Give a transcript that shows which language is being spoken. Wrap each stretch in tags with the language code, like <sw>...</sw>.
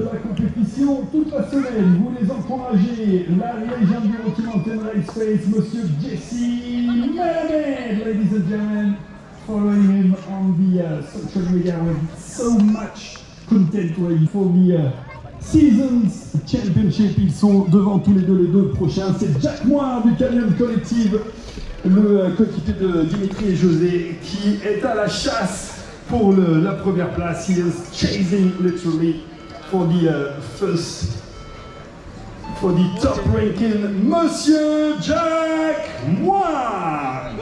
<en>Ladies and gentlemen, following him on the social media with so much content ready for the Seasons Championship.</en> <fr>Ils sont devant tous les deux prochains. C'est Jack Moir du Canyon Collective, le coéquipier de Dimitri et José, qui est à la chasse pour la première place.</fr> <en>He is chasing literally for the first, for the top ranking, Monsieur Jack Moir.</en>